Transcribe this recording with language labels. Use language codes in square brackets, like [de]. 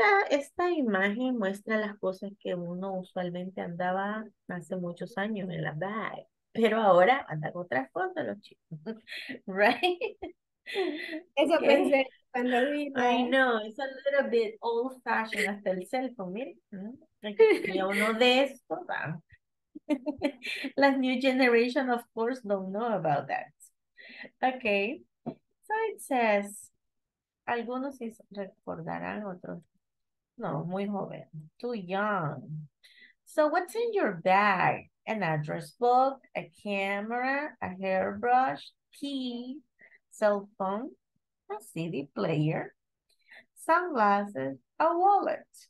[es] Esta imagen muestra las cosas que uno usualmente andaba hace muchos años en la bag. Pero ahora anda con otras cosas, los chicos. [en] Right? [es] Eso okay. Pensé cuando vino. [en] I know, it's a little bit old fashioned, [es] hasta el cell phone, miren. Y uno de estos, las [en] new generation, of course, don't know about that. Okay, so it says, [es] algunos sí recordarán, otros no, muy joven, [en] too young. So what's in your bag? An address book, a camera, a hairbrush, key, cell phone, a CD player, sunglasses, a wallet.